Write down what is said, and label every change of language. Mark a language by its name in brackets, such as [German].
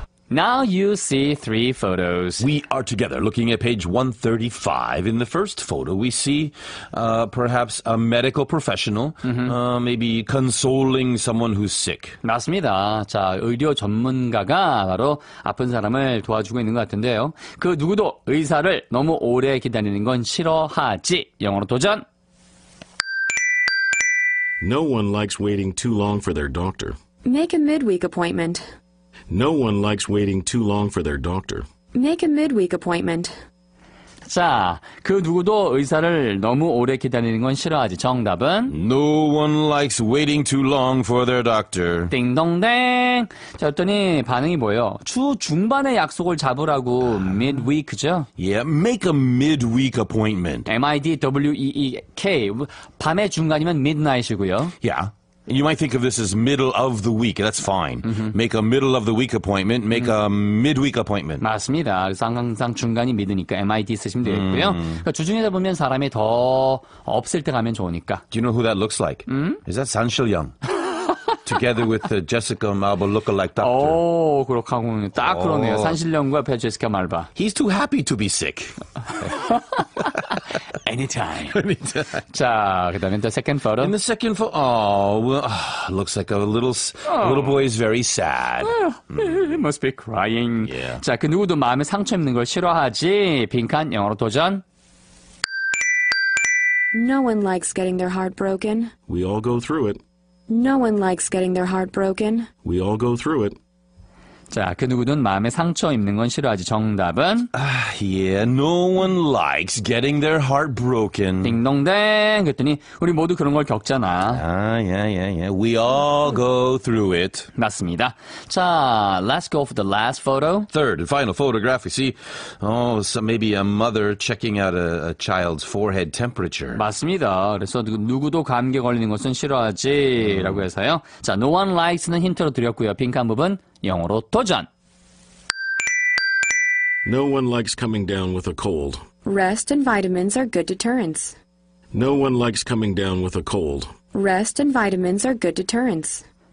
[English] Now you see three photos. We are together looking at page 135. In the first photo, we see perhaps a medical professional, maybe consoling someone who's sick. [Korean] 맞습니다. 자, 의료 전문가가 바로 아픈 사람을 도와주고 있는 것 같은데요. 그 누구도 의사를 너무 오래 기다리는 건 싫어하지. 영어로 도전! [English] No one likes waiting too long for their doctor. Make a midweek appointment. No one likes waiting too long for their doctor. Make a midweek appointment. [Korean] 자, 그 누구도 의사를 너무 오래 기다리는 건 싫어하지. 정답은? [English] No one likes waiting too long for their doctor. [Korean] 띵동댕. 자, 그랬더니 반응이 뭐예요? 주 중반에 약속을 잡으라고. Midweek죠? [English] Yeah, make a midweek appointment. M-I-D-W-E-E-K. [Korean] 밤의 중간이면 midnight이고요. [English] Yeah. You might think of this as middle of the week. That's fine. Mm-hmm. Make a middle of the week appointment. Make a midweek appointment. 맞습니다. [Korean] 항상 중간이 미드니까 MID 쓰시면 되겠고요. 그러니까 주중에다 보면 사람이 더 없을 때 가면 좋으니까. [English] Do you know who that looks like? Is that San Shil-young? Together with the Jessica Malba lookalike doctor. [Korean] 오, 그렇군요. 딱 그러네요. 산신령과 제시카 말바. [English] He's too happy to be sick. Anytime. Anytime. [Korean] 자, 그 다음에 [English] the second photo. In the second photo, looks like a little boy is very sad. Must be crying. Yeah. [Korean] 자, 그 누구도 마음에 상처 입는 걸 싫어하지. 빈칸 영어로 도전. [English] No one likes getting their heart broken. We all go through it. No one likes getting their heart broken. We all go through it. [Korean] 자, 그 누구든 마음에 상처 입는 건 싫어하지. 정답은? [English] No one likes getting their heart broken. [Korean] 띵동댕. 그랬더니 우리 모두 그런 걸 겪잖아. [English] We all go through it. [Korean] 맞습니다. 자, [English] let's go for the last photo. Third and final photograph. We see, maybe a mother checking out a child's forehead temperature. [Korean] 맞습니다. 그래서 누구도 감기 걸리는 것은 싫어하지. 라고 해서요. 자, [English] no one likes [Korean] 는 힌트로 드렸고요. 빈칸 부분. 영어로 도전. [English] No one likes coming down with a cold. Rest and vitamins are good deterrents. No one likes coming down with a cold. Rest and vitamins are good deterrents.